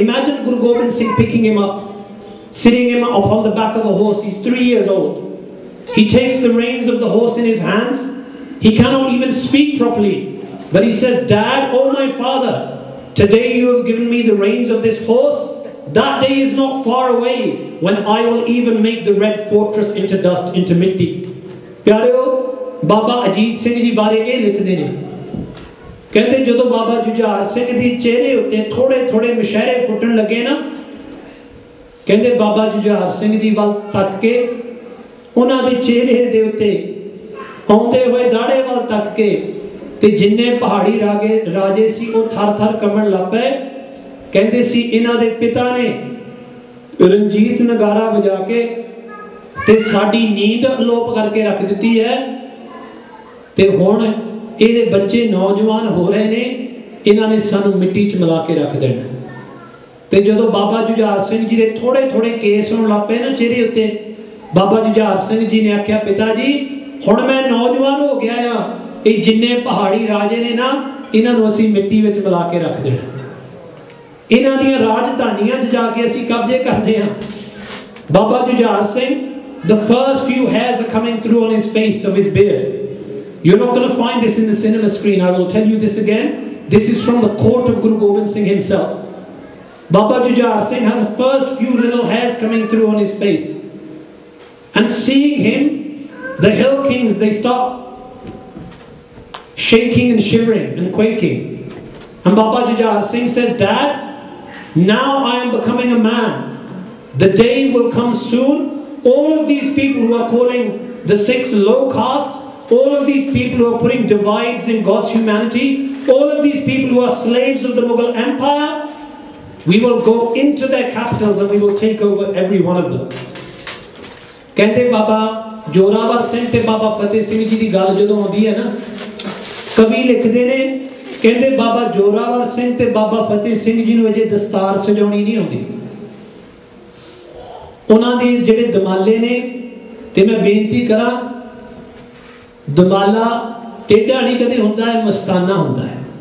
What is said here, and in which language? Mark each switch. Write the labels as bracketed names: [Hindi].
[English] Imagine Guru Gobind Singh picking him up, sitting him upon the back of a horse, he is 3 years old. He takes the reins of the horse in his hands, he cannot even speak properly, but he says, dad, oh my father, Today you have given me the reins of this horse. That day is not far away when I will even make the red fortress into dust, into mitti. [Punjabi] Pyareo, Baba Ajit Singh ji bare eh likhde ne. Kehnde jadon Baba Jujhar Singh di chehre utte thode thode mushare futn lage na, kehnde Baba Jujhar Singh di wal tak ke unna de chehre de utte aunde hoye daade wal tak ke ਅਤੇ ਜਿੰਨੇ ਪਹਾੜੀ ਰਾਗੇ ਰਾਜੇ ਸੀ ਉਹ ਥਰ ਥਰ ਕੰਬਣ ਲੱਗ ਪਏ। ਕਹਿੰਦੇ ਸੀ ਇਹਨਾਂ ਦੇ ਪਿਤਾ ਨੇ ਰਣਜੀਤ ਨਗਾਰਾ ਵਜਾ ਕੇ ਅਤੇ ਸਾਡੀ ਨੀਂਦ ਅਲੋਪ ਕਰਕੇ ਰੱਖ ਦਿੱਤੀ ਹੈ, ਅਤੇ ਹੁਣ ਇਹਦੇ ਬੱਚੇ ਨੌਜਵਾਨ ਹੋ ਰਹੇ ਨੇ, ਇਹਨਾਂ ਨੇ ਸਾਨੂੰ ਮਿੱਟੀ 'ਚ ਮਿਲਾ ਕੇ ਰੱਖ ਦੇਣਾ। ਅਤੇ ਜਦੋਂ ਬਾਬਾ ਜੁਝਾਰ ਸਿੰਘ ਜੀ ਦੇ ਥੋੜ੍ਹੇ ਥੋੜ੍ਹੇ ਕੇਸ ਹੋਣ ਲੱਗ ਪਏ ਨਾ ਚਿਹਰੇ ਉੱਤੇ, ਬਾਬਾ ਜੁਝਾਰ ਸਿੰਘ ਜੀ ਨੇ ਆਖਿਆ, ਪਿਤਾ ਜੀ ਹੁਣ ਮੈਂ ਨੌਜਵਾਨ ਹੋ ਗਿਆ ਹਾਂ, ਇਹ ਜਿੰਨੇ ਪਹਾੜੀ ਰਾਜੇ ਨੇ ਨਾ ਇਹਨਾਂ ਨੂੰ ਅਸੀਂ ਮਿੱਟੀ ਵਿੱਚ ਮਿਲਾ ਕੇ ਰੱਖ ਦੇਣਾ, ਇਹਨਾਂ ਦੀਆਂ ਰਾਜਧਾਨੀਆਂ 'ਚ ਜਾ ਕੇ ਅਸੀਂ ਕਬਜ਼ੇ ਕਰਦੇ ਹਾਂ। [English] Baba Jujhar Singh, the first few hairs coming through on his face of his beard, you are not going to find this in the cinema screen, I will tell you this again, this is from the court of Guru Gobind Singh himself. Baba Jujhar Singh has first few little hairs coming through on his face and seeing him the hill kings they stop shaking and shivering and quaking. And Baba Jujhar Singh says, Dad, now I am becoming a man. The day will come soon. All of these people who are calling the Sikhs low caste, all of these people who are putting divides in God's humanity, all of these people who are slaves of the Mughal Empire, we will go into their capitals and we will take over every one of them. [Punjabi] Kehte Baba Jorawar Singh te Baba Fateh Singh ji di gal jadon aundi hai na, ਕਵੀ ਲਿਖਦੇ ਨੇ ਕਹਿੰਦੇ ਬਾਬਾ ਜੋਰਾਵਰ ਸਿੰਘ ਤੇ ਬਾਬਾ ਫਤਿਹ ਸਿੰਘ ਜੀ ਨੂੰ ਅਜੇ ਦਸਤਾਰ ਸਜਾਉਣੀ ਨਹੀਂ ਆਉਂਦੀ, ਉਹਨਾਂ ਦੇ ਜਿਹੜੇ ਦਮਾਲੇ ਨੇ, ਤੇ ਮੈਂ ਬੇਨਤੀ ਕਰਾਂ, ਦਮਾਲਾ ਟੇਢਾ ਨਹੀਂ ਕਦੇ ਹੁੰਦਾ, ਇਹ ਮਸਤਾਨਾ ਹੁੰਦਾ ਹੈ।